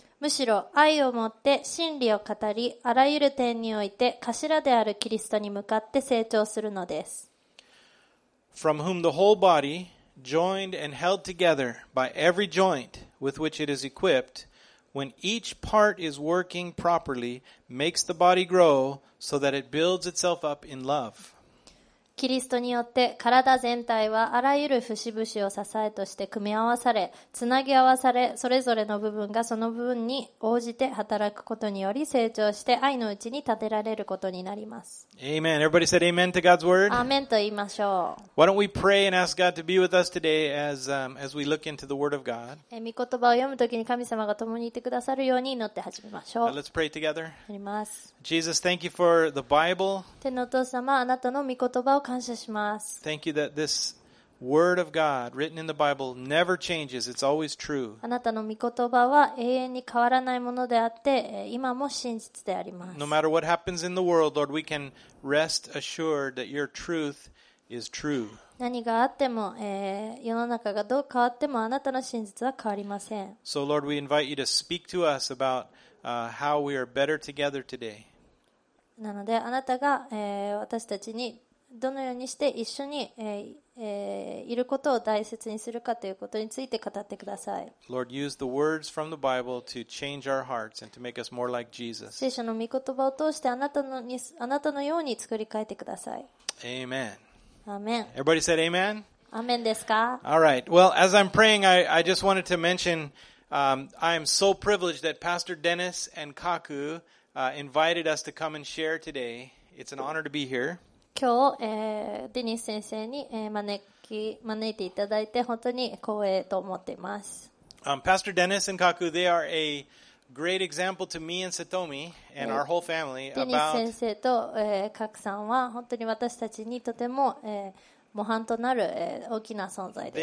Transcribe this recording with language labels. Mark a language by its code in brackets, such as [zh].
[ja] むしろ愛を持って真理を語り、あらゆる点において頭であるキリストに向かって成長するのです。 [en] From whom the whole body, joined and held together by every joint with which it is equipped, when each part is working properly, makes the body grow so that it builds itself up in love. [ja] キリストによって体全体はあらゆる節々を支えとして組み合わされ、つなぎ合わされ、それぞれの部分がその部分に応じて働くことにより成長して愛のうちに立てられることになります。 [en] Amen. Everybody said amen to God's word. [ja] Amen と言いましょう。 [en] Why don't we pray and ask God to be with us today as we look into the word of God? [ja] 御言葉を読むときに神様が共にいてくださるように祈って始めましょう。 [en] Let's pray together. [ja] やります。 [en] Jesus, thank you for the Bible. [ja] 天のお父様、あなたの御言葉を感謝します。 [en] Thank you that this word of God written in the Bible never changes. It's always true. [ja] あなたの御言葉は永遠に変わらないものであって、今も真実であります。 [en] No matter what happens in the world, Lord, we can rest assured that your truth is true. [ja] 何があっても、世の中がどう変わってもあなたの真実は変わりません。 [en] So Lord, we invite you to speak to us about how we are better together today. [ja] なのであなたが、私たちにどのようにして一緒に、いることを大切にするかということについて語ってください。 [en] Lord, use the words from the Bible to change our hearts and to make us more like Jesus. [ja] 聖書の御言葉を通してあなたのように作り変えてください。 [en] Amen. Amen. Everybody said amen? [ja] Amen ですか? [en] All right. Well, as I'm praying, I just wanted to mention, I am so privileged that Pastor Dennis and Kaku, invited us to come and share today. It's an honor to be here. [ja] 今日、デニス先生に、招いていただいて本当に光栄と思っています。 [en] Pastor Dennis and Kaku, they are a great example to me and Satomi and our whole family about. [ja] 先生と、カクさんは本当に私たちにとても、模範となる、大きな存在です。